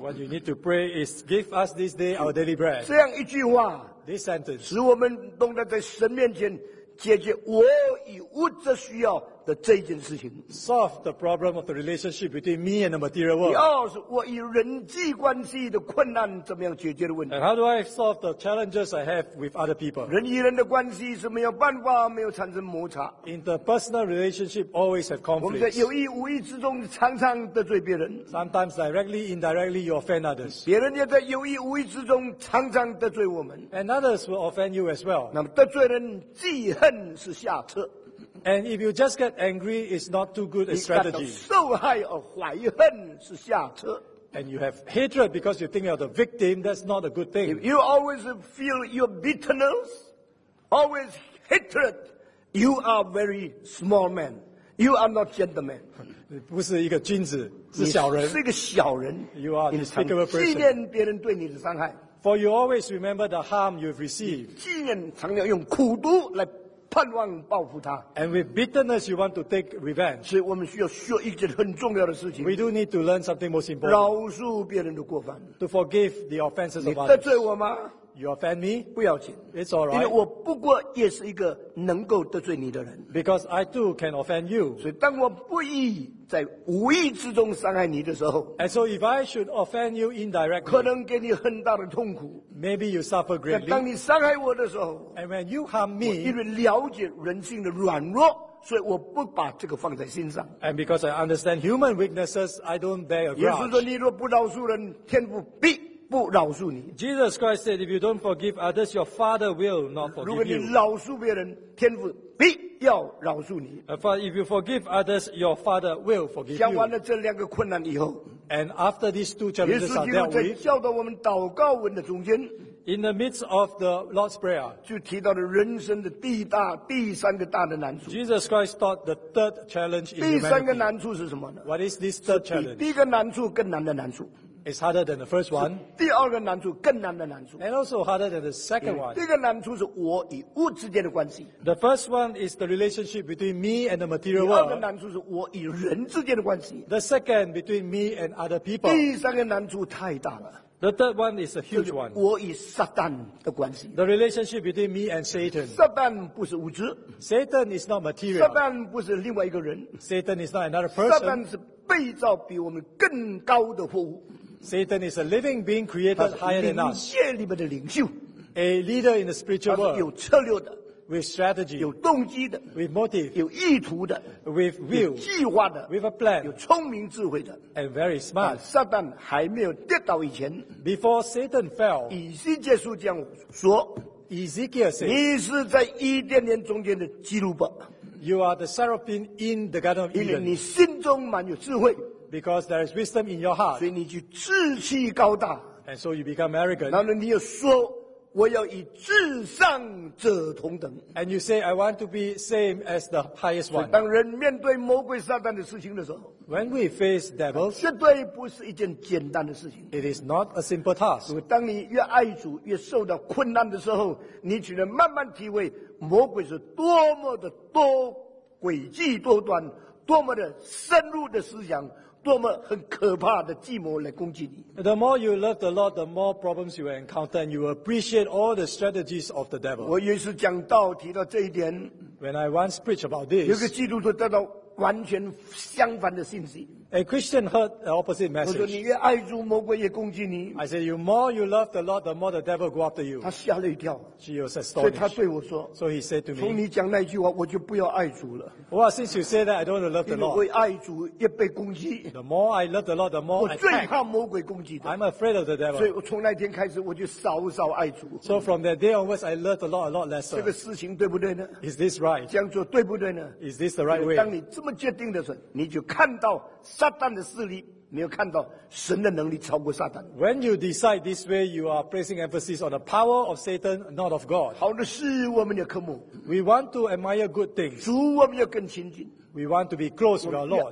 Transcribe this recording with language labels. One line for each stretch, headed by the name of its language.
English: What you need to pray is give us this day our daily bread.
Chinese: 这样一句话。
English: This sentence,
Chinese: 使我们懂得在神面前解决我与物质需要的这件事情。
English: Solve the problem of the relationship between me and the material world.
Chinese: 第二是我与人际关系的困难怎么样解决的问题。
English: And how do I solve the challenges I have with other people?
Chinese: 人与人的关系是没有办法没有产生摩擦。
English: In the personal relationship, always have conflicts.
Chinese: 我们在有意无意之中常常得罪别人。
English: Sometimes directly, indirectly, you offend others.
Chinese: 别人也在有意无意之中常常得罪我们。
English: And others will offend you as well.
Chinese: 那么得罪人记恨是下策。
English: And if you just get angry, it's not too good a strategy.
Chinese: 你感到受害而怀恨是下策。
English: And you have hatred because you think you're the victim, that's not a good thing. If you always feel your bitterness, always hatred, you are very small man. You are not gentleman.
Chinese: 你不是一个君子，是小人。你是一个小人。
English: You are a despicable person.
Chinese: 纪念别人对你的伤害。
English: For you always remember the harm you've received.
Chinese: 纪念常要用苦读来盼望报复他。
English: And with bitterness, you want to take revenge.
Chinese: 所以我们需要学一件很重要的事情。
English: We do need to learn something most important.
Chinese: 饶恕别人的过犯。
English: To forgive the offenses of others.
Chinese: 你得罪我吗？
English: You offend me?
Chinese: 不要紧。
English: It's all right.
Chinese: 因为我不过也是一个能够得罪你的人。
English: Because I too can offend you.
Chinese: 所以当我不意在无意之中伤害你的时候。
English: And so if I should offend you indirectly.
Chinese: 可能给你很大的痛苦。
English: Maybe you suffer greatly.
Chinese: 但当你伤害我的时候。
English: And when you harm me.
Chinese: 我因为了解人性的软弱。所以我不把这个放在心上。
English: And because I understand human weaknesses, I don't bear a grudge.
Chinese: 耶稣说你若不饶恕人天父必不饶恕你。
English: Jesus Christ said, if you don't forgive others, your Father will not forgive you.
Chinese: 如果你饶恕别人，天父必要饶恕你。
English: If you forgive others, your Father will forgive you.
Chinese: 讲完了这两个困难以后。
English: And after these two challenges are dealt with.
Chinese: 耶稣基督在教导我们祷告文的中间。
English: In the midst of the Lord's Prayer.
Chinese: 就提到了人生的第一大、第三个大的难处。
English: Jesus Christ taught the third challenge in humanity.
Chinese: 第三个难处是什么呢？
English: What is this third challenge?
Chinese: 是比第一个难处更难的难处。
English: It's harder than the first one.
Chinese: 第二个难处更难的难处。
English: And also harder than the second one.
Chinese: 第一个难处是我与物之间的关系。
English: The first one is the relationship between me and the material world.
Chinese: 第二个难处是我与人之间的关系。
English: The second between me and other people.
Chinese: 第三个难处太大了。
English: The third one is a huge one.
Chinese: 我与撒旦的关系。
English: The relationship between me and Satan.
Chinese: 撒旦不是物质。
English: Satan is not material.
Chinese: 撒旦不是另外一个人。
English: Satan is not another person.
Chinese: 撒旦是被造比我们更高的货物。
English: Satan is a living being created higher than us.
Chinese: 界里面的领袖。
English: A leader in the spiritual world.
Chinese: 有策略的。
English: With strategy.
Chinese: 有动机的。
English: With motive.
Chinese: 有意图的。
English: With will.
Chinese: 有计划的。
English: With a plan.
Chinese: 有聪明智慧的。
English: And very smart.
Chinese: 撒旦还没有跌倒以前。
English: Before Satan fell.
Chinese: 以西结书这样说。
English: Ezekiel said.
Chinese: 你是在伊甸园中间的基路伯。
English: You are the seraphim in the Garden of Eden.
Chinese: 因为你心中满有智慧。
English: Because there is wisdom in your heart.
Chinese: 所以你就志气高大。
English: And so you become arrogant.
Chinese: 然后你又说我要与至上者同等。
English: And you say, I want to be same as the highest one.
Chinese: 当人面对魔鬼撒旦的事情的时候。
English: When we face devils.
Chinese: 绝对不是一件简单的事情。
English: It is not a simple task.
Chinese: 当你越爱主越受到困难的时候你只能慢慢体会魔鬼是多么的多诡计多端多么的深入的思想多么很可怕的计谋来攻击你。
English: The more you love the Lord, the more problems you encounter, and you appreciate all the strategies of the devil.
Chinese: 我有一次讲道提到这一点。
English: When I once preached about this,
Chinese: 有个基督徒得到完全相反的信息。
English: A Christian heard the opposite message.
Chinese: 我说你越爱主，魔鬼也攻击你。
English: I said, the more you love the Lord, the more the devil go after you.
Chinese: 他吓了一跳。
English: She was astonished.
Chinese: 所以他对我说。
English: So he said to me.
Chinese: 从你讲那句话，我就不要爱主了。
English: Well, since you say that, I don't want to love the Lord.
Chinese: 因为爱主越被攻击。
English: The more I love the Lord, the more I attack.
Chinese: 我最怕魔鬼攻击的。
English: I'm afraid of the devil.
Chinese: 所以我从那天开始，我就少少爱主。
English: So from that day onwards, I love the Lord a lot lesser.
Chinese: 这个事情对不对呢？
English: Is this right?
Chinese: 这样做对不对呢？
English: Is this the right way?
Chinese: 当你这么决定的时候，你就看到撒旦的势力你要看到神的能力超过撒旦。
English: When you decide this way, you are placing emphasis on the power of Satan, not of God.
Chinese: 好的事我们也渴慕。
English: We want to admire good things.
Chinese: 主我们也更亲近。
English: We want to be close with our Lord.